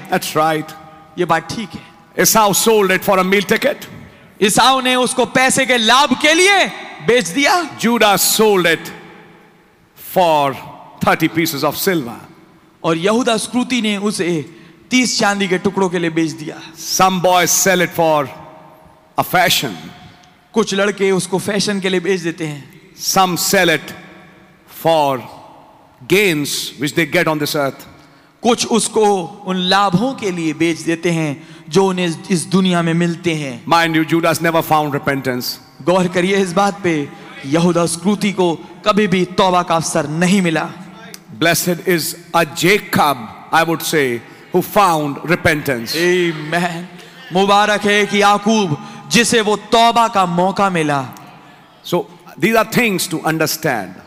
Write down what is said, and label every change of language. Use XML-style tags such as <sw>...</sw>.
<en>That's right.</en> <hi>ये बात ठीक है.</hi> <en>Esau sold it for a meal ticket.</en> <hi>Esau ने उसको पैसे के लाभ के लिए बेच दिया.</hi> <en>Judas sold it for 30 pieces of silver.</en> <hi>और यहूदा स्क्रूती ने उसे 30 चांदी के टुकड़ों के लिए बेच दिया.</hi> <en>Some boys sell it for a fashion.</en> <hi>कुछ लड़के उसको फैशन के लिए बेच देते हैं.</hi> <en>Some sell it for gains which they get on this earth.</en> <hi>कुछ उसको उन लाभों के लिए बेच देते हैं जो उन्हें इस दुनिया में मिलते हैं.</hi> <en>Mind you, Judas never found repentance.</en> <hi>गौर करिए इस बात पे, यहूदा स्क्रूती को कभी भी तौबा का अवसर नहीं मिला.</hi> <en>Blessed is a Jacob, I would say, who found repentance. Amen.</en> <hi>मुबारक है कि याकूब, जिसे वो तौबा का मौका मिला.</hi> <en>So these are things to understand.</en>